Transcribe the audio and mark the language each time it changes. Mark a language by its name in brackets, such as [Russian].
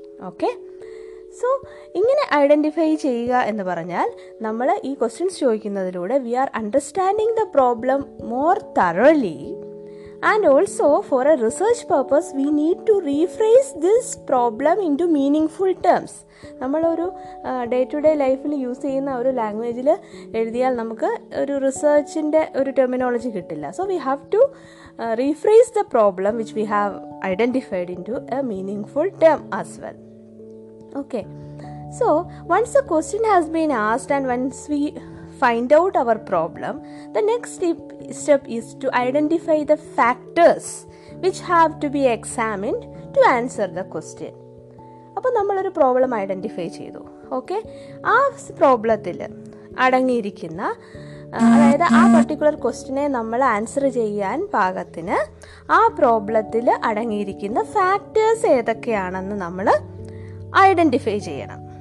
[English] okay, so [Malayalam] ഇങ്ങനെ identify ചെയ്യുക എന്ന് പറഞ്ഞാൽ നമ്മൾ ഈ questions ചോദിക്കുന്നതിലൂടെ [English] We are understanding the problem more thoroughly, and also for a research purpose we need to rephrase this problem into meaningful terms. [Malayalam] നമ്മളൊരു day to day ലൈഫിൽ use ചെയ്യുന്ന ഒരു ലാംഗ്വേജിൽ എഴുതിയാൽ നമുക്ക് ഒരു റിസർച്ചിൻ്റെ ഒരു ടെർമിനോളജി കിട്ടില്ല. [English] So we have to rephrase the problem which we have identified into a meaningful term as well. Okay, so once a question has been asked and once we find out our problem, the next step is to identify the factors which have to be examined to answer the question. [Malayalam] Appo nammal oru problem identify cheythu. Okay, aa problem il adangirikkunna, അതായത് ആ particular ക്വസ്റ്റിനെ നമ്മൾ answer ചെയ്യാൻ പാകത്തിന് ആ പ്രോബ്ലത്തിൽ അടങ്ങിയിരിക്കുന്ന factors ഏതൊക്കെയാണെന്ന് നമ്മൾ identify ചെയ്യണം.